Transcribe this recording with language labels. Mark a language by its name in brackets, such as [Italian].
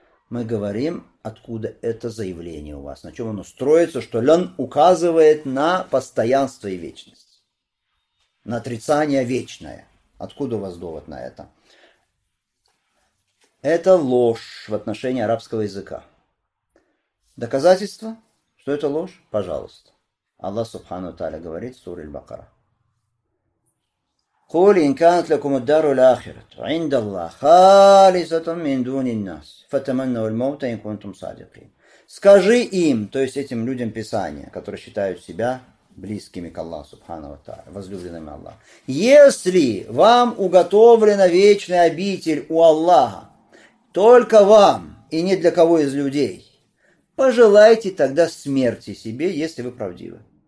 [Russian] Мы говорим, откуда это заявление у вас, на чем оно строится, что лян указывает на постоянство и вечность, на отрицание вечное. Откуда у вас довод на это? Это ложь в отношении арабского языка. Доказательство, что это ложь? Пожалуйста. Аллах Субхану Тааля говорит в суре Аль-Бакара. [Arabic] قول إن كانت لكم الدار الآخرة عند الله خالصة من دون الناس فتمنوا الموت إن كنتم صادقين. [Russian] Скажи им, то есть этим людям Писания, которые считают себя близкими к Аллаху Субхану ва Тааля, возлюбленными Аллаха. Если вам уготовлена вечная обитель у Аллаха, только вам и не для кого из людей, пожелайте тогда смерти себе, если вы правдивы.